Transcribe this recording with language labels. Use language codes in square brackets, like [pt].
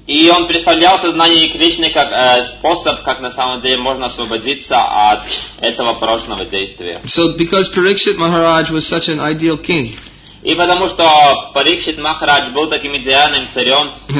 [ru] И он представлял сознание Кришны как способ, как на самом деле можно освободиться от этого порочного действия. [en] So because Parikshit Maharaj was such an ideal king. [ru] И потому что Парикшит Махарадж был таким идеальным царем.